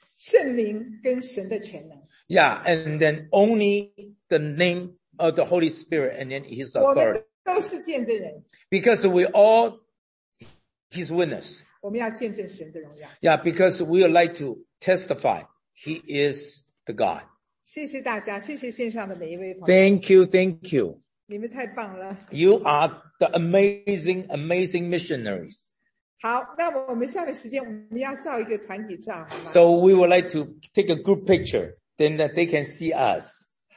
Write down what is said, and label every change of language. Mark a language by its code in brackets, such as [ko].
[zh] 宣教在乎圣灵跟神的全能。 [en] Yeah, and then only the name of the Holy Spirit and then His authority. [zh] 我们都是见证人。 [en] Because we all His witness. [zh] 我们要见证神的荣耀。 [en] Yeah, because we would like to testify He is the God. [zh] 谢谢大家, 谢谢线上的每一位朋友。 [en] Thank you, thank you. [zh] 你们太棒了。 [en] You are the amazing, amazing missionaries. [zh] 好，那我们下面时间我们要照一个团体照，好吗？So [en] we would like to take a group picture, then that they can see us.